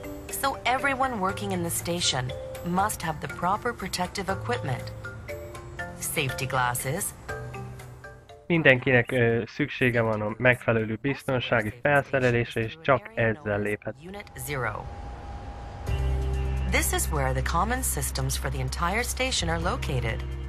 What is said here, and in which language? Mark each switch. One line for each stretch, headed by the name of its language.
English: So everyone working in the station must have the proper protective equipment. Safety glasses.
Hungarian: Mindenkinek szüksége van a megfelelő biztonsági felszerelésre, és csak ezzel léphet.
English: This is where the common systems for the entire station are located.